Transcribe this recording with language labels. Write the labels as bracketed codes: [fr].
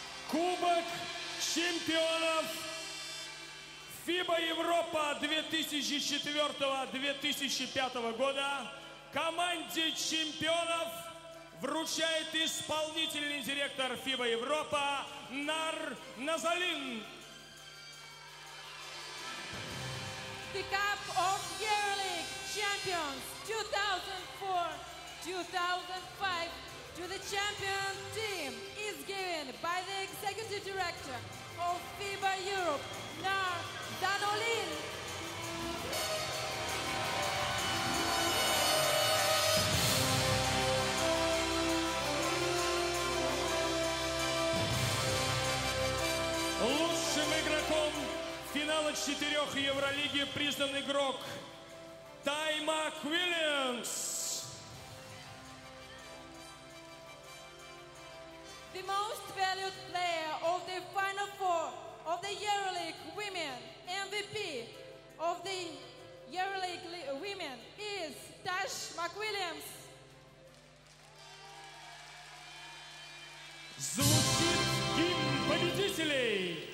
[ru] Кубок чемпионов FIBA Европа 2004-2005 года команде чемпионов вручает исполнительный директор FIBA Европа Нар Назалин. [en] The Cup of EuroLeague Champions 2004-2005 to the champion team is given by the executive director of FIBA Europe, Nar Danolin. [ru] Лучшим игроком финала четырех Евролиги признан игрок Ty McWilliams. [en] The most valued player of the Final Four of the EuroLeague Women MVP of the EuroLeague Women is Tash McWilliams. [ru] Звучит гимн победителей!